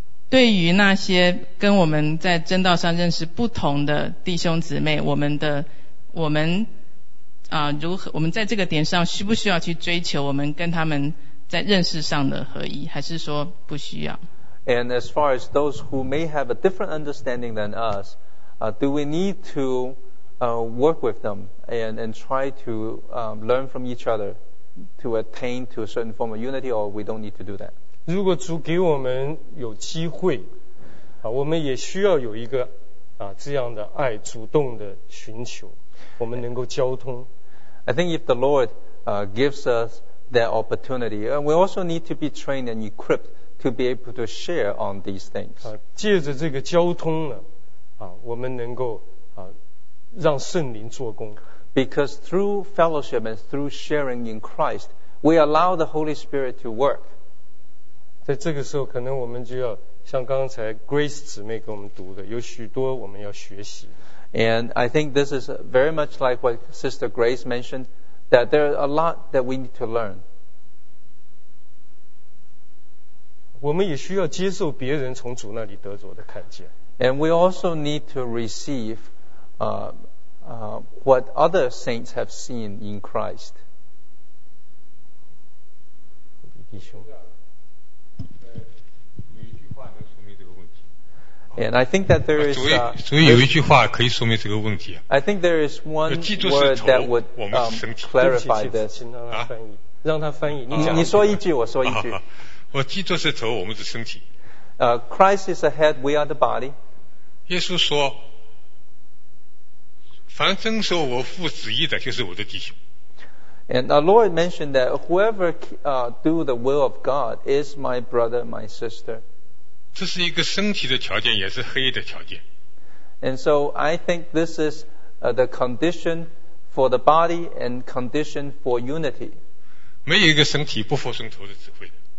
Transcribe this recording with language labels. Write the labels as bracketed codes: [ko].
[zh] 对于那些跟我们在真道上认识不同的弟兄姊妹，我们在这个点上需不需要去追求我们跟他们在认识上的合一，还是说不需要？ [en] And as far as those who may have a different understanding than us, do we need to work with them and try to learn from each other to attain to a certain form of unity or we don't need to do that. [zh] 如果主给我们有机会我们也需要有一个这样的爱主动的寻求我们能够交通。 [en] I think if the Lord gives us that opportunity, we also need to be trained and equipped to be able to share on these things. [zh] 借着这个交通呢我们能够让圣灵做工。 [en] Because through fellowship and through sharing in Christ, we allow the Holy Spirit to work. [zh] 在这个时候，可能我们就要像刚才 Grace 姊妹给我们读的，有许多我们要学习。 [en] And I think this is very much like what Sister Grace mentioned, that there are a lot that we need to learn. [zh] 我们也需要接受别人从主那里得着的看见。 [en] And we also need to receive. What other saints have seen in Christ. [zh] 弟兄，有一句话能说明这个问题。 [en] And I think that there is. [zh] 主有一句话可以说明这个问题。 [en] I think there is one word that would clarify this. [zh] 让他翻译。你说一句，我说一句。我基督是头，我们是身体。 [en] Christ is the head, we are the body. [zh] 耶稣说。凡遵守我父旨意的就是我的弟兄。 [en] And our Lord mentioned that whoever do the will of God is my brother, my sister. [zh] 这是一个身体的条件，也是合一的条件。 [en] And so I think this is the condition for the body and condition for unity. [zh] 没有一个身体不服从头的指挥。